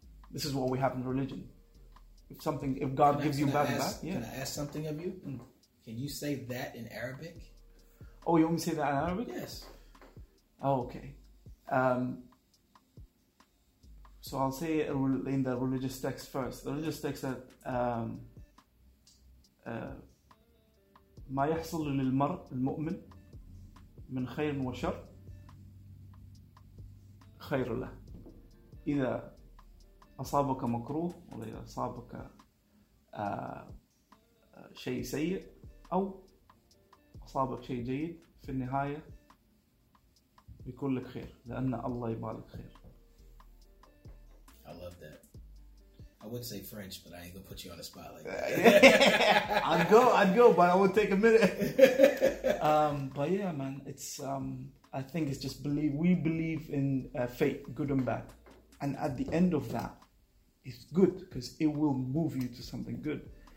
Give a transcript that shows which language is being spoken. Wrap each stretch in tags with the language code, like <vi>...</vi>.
<en>This is what we have in religion. If God gives you bad and bad, can I ask something of you? Mm. Can you say that in Arabic? Oh, you want me to say that in Arabic? Yes. Oh, okay. So I'll say it in the religious text first. The religious text said,</en> <ar>مَا يَحْصَلُ لِلْمَرْءِ الْمُؤْمِنِ مِنْ خَيْرٍ وَشَرٍ خير له إذا أصابك مكروه ولا إذا أصابك شيء سيء أو أصابك شيء جيد في النهاية بيكون لك خير لأن الله يبارك خير.</ar> <en>I love that. I would say French, but I ain't gonna put you on the spot like that. I'd go, but I would take a minute. But yeah, man, it's I think it's just we believe in fate, good and bad. And at the end of that, it's good because it will move you to something good.</en>